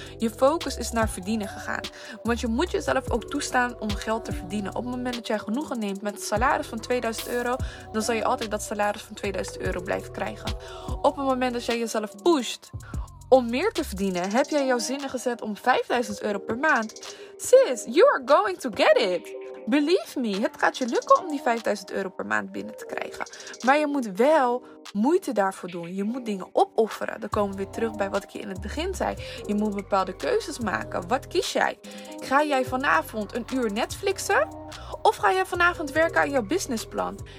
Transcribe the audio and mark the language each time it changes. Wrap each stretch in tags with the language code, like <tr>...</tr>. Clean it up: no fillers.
<nl>Je focus is naar verdienen gegaan. Want je moet jezelf ook toestaan om geld te verdienen. Op het moment dat jij genoegen neemt met een salaris van 2000 euro, dan zal je altijd dat salaris van 2000 euro blijft krijgen. Op het moment dat jij jezelf pusht om meer te verdienen, heb jij jouw zinnen gezet om 5000 euro per maand.</nl> <en>Sis, you are going to get it. Believe me,</en> <nl>het gaat je lukken om die 5000 euro per maand binnen te krijgen. Maar je moet wel moeite daarvoor doen. Je moet dingen opofferen. Dan komen we weer terug bij wat ik je in het begin zei. Je moet bepaalde keuzes maken. Wat kies jij? Ga jij vanavond een uur Netflixen? Of ga jij vanavond werken aan jouw businessplan?</nl>